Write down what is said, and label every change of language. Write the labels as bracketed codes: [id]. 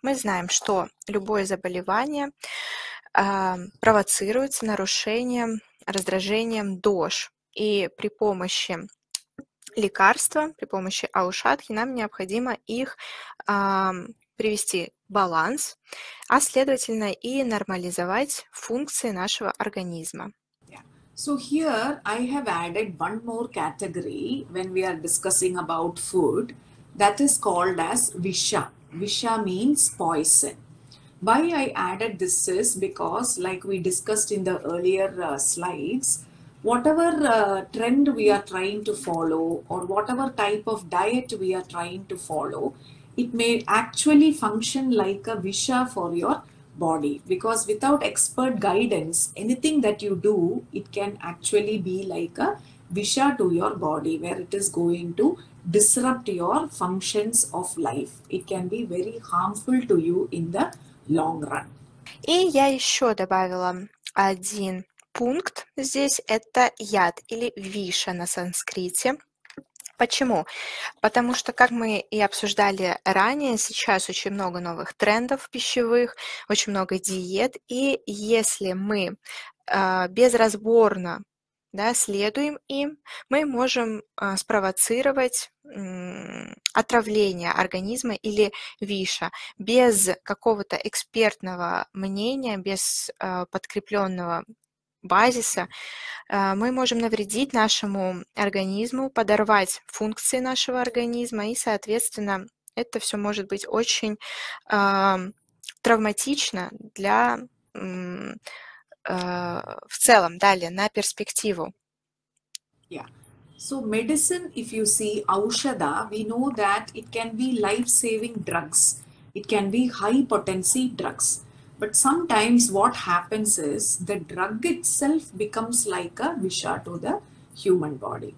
[ru] Мы знаем, что любое заболевание провоцируется нарушением, раздражением дош, и при помощи лекарства, при помощи аушадхи нам необходимо их привести баланс, а следовательно и нормализовать функции нашего организма. [en] Yeah. So here I have added one more category when we are discussing about food, that is called as visha. Visha means poison. Why I added this is because, like we discussed in the earlier slides, whatever trend we are trying to follow or whatever type of diet we are trying to follow, it may actually function like a visha for your body, because without expert guidance, anything that you do, it can actually be like a visha to your body, where it is going to disrupt your functions of life. It can be very harmful to you in the long run. [ru] И я еще добавила один пункт здесь. Это яд или виша на санскрите. Почему? Потому что, как мы и обсуждали ранее, сейчас очень много новых трендов пищевых, очень много диет, и если мы безразборно, да, следуем им, мы можем спровоцировать отравление организма или виша без какого-то экспертного мнения, без подкрепленного базиса, мы можем навредить нашему организму, подорвать функции нашего организма, и, соответственно, это все может быть очень травматично для в целом, далее, на перспективу. [en] Yeah. So medicine, if you see aushadha, we know that it can be life-saving drugs. It can be high-potency drugs. But sometimes what happens is the drug itself becomes like a visha to the human body.